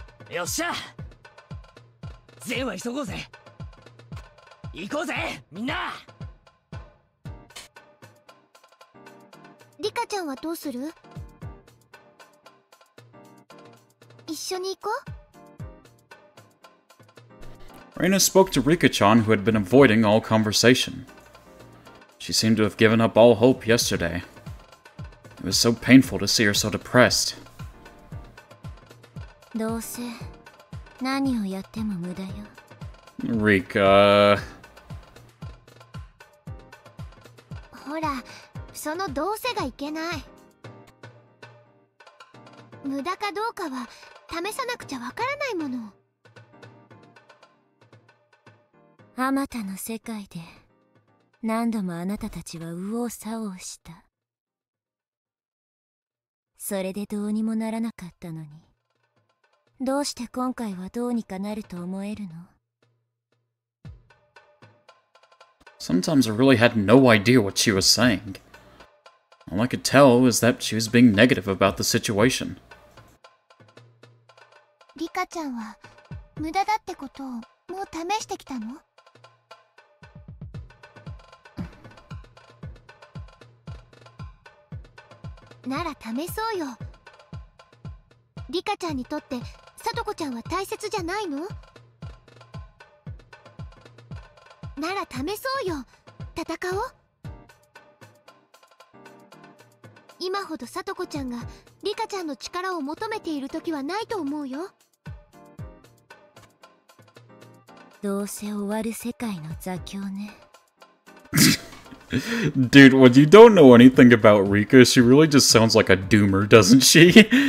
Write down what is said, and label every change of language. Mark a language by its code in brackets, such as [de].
[ja] よっしゃ全は急ごうぜ行こうぜみんなリカちゃんはどうする一緒に行こう [en] Reina spoke to Rika-chan, who had been avoiding all conversation. She seemed to have given up all hope yesterday. It was so painful to see her so depressed. [ja] どうせ、何をやっても無駄よ。 Rika... ほら、そのどうせがいけない。無駄かどうかは、試さなくちゃわからないもの。あまたの世界で何度もあなたたちは右往左往したそれでどうにもならなかったのにどうして今回はどうにかなると思えるの [en] Sometimes I really had no idea what she was saying. All I could tell was that she was being negative about the situation. [ja] リカちゃんは無駄だってことをもう試してきたのなら試そうよ。リカちゃんにとって、サトコちゃんは大切じゃないの？なら試そうよ。戦おう。今ほどサトコちゃんがリカちゃんの力を求めている時はないと思うよ。どうせ終わる世界の座標ね。 [en] Dude, when you don't know anything about Rika, she really just sounds like a doomer, doesn't she?